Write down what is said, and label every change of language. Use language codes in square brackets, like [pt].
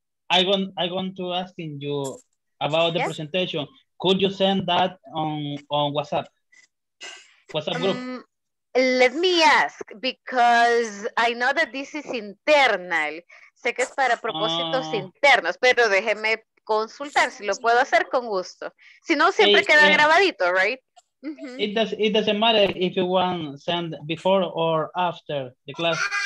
[en] I want to ask you about the yes. presentation. Could you send that on WhatsApp group? Let me ask, because I know that this is internal. [es] Sé que es para propósitos internos, pero déjeme consultar si lo puedo hacer con gusto. Si no, siempre queda grabadito, right? Mm-hmm. [en] It doesn't matter if you want to send before or after the class.